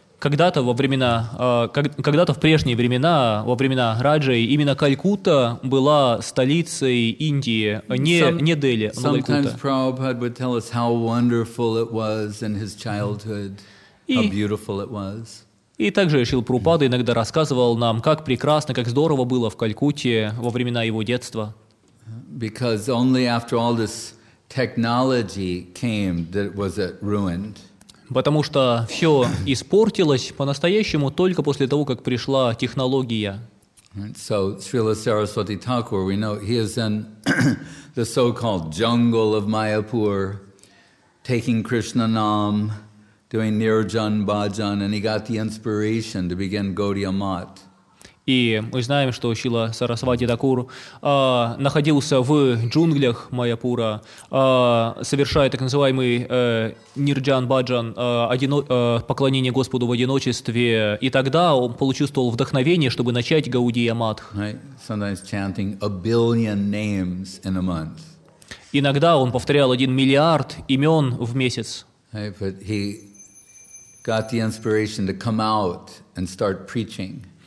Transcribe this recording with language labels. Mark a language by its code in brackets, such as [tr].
[ru] Когда-то во времена, когда-то в прежние времена, во времена Раджи, именно Калькутта была столицей Индии, не Дели, но Калькутта. [en] Sometimes Prabhupada would tell us how wonderful it was in his childhood, how beautiful it was. [ru] И также Шрила Прабхупада иногда рассказывал нам, как прекрасно, как здорово было в Калькутте во времена его детства. [en] Because only after all this technology came that was it ruined. [ru] Потому что все испортилось по-настоящему только после того, как пришла технология. [en] So Srila Saraswati Thakur, we know he is in the so-called jungle of Mayapur, taking Krishna Nam, doing Nirjan Bhajan, and he got the inspiration to begin Gaudiya Math. [ru] И мы знаем, что Шрила Сарасвати Такур находился в джунглях Майяпура, совершая так называемый Нирджан Баджан, поклонение Господу в одиночестве. И тогда он почувствовал вдохновение, чтобы начать Гаудия Матх. [en] Right? Sometimes chanting a billion names in a month. [ru] Иногда он повторял 1 миллиард имен в месяц. [en] Right? But he got the inspiration to come out and start preaching.